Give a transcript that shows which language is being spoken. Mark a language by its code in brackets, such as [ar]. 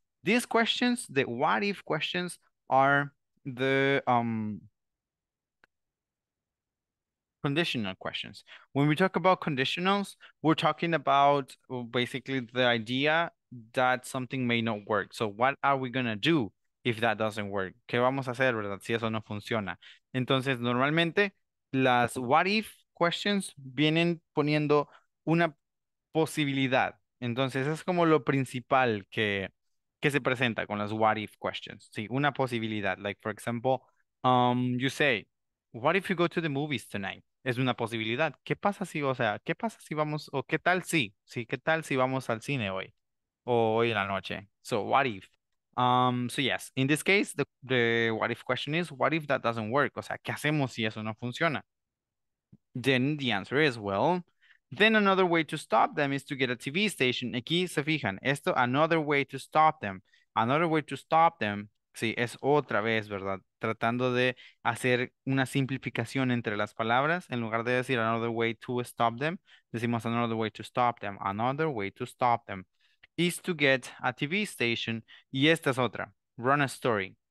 [en] These questions, the what if questions are the conditional questions. When we talk about conditionals, we're talking about basically the idea that something may not work. So what are we going to do if that doesn't work? [es] ¿Qué vamos a hacer, verdad, si eso no funciona? Entonces, normalmente, las [en] what if questions [es] vienen poniendo una posibilidad. Entonces, es como lo principal que que se presenta con las [en] what if questions. [es] Sí, una posibilidad. [en] Like, for example, you say, what if you go to the movies tonight? [es] Es una posibilidad. ¿Qué pasa si, o sea, qué pasa si vamos, o qué tal si? Sí, ¿qué tal si vamos al cine hoy? O hoy en la noche. [en] So, what if? So, yes, in this case, the what if question is, what if that doesn't work? [es] O sea, ¿qué hacemos si eso no funciona? [en] Then the answer is, well, then another way to stop them is to get a TV station. [es] Aquí se fijan, esto, [en] another way to stop them. Another way to stop them, [es] sí, es otra vez, ¿verdad? Tratando de hacer una simplificación entre las palabras. En lugar de decir [en] another way to stop them, [es] decimos another way to stop them. [en] Another way to stop them is to get a TV station. [es] Y esta es otra. [en] Run a story.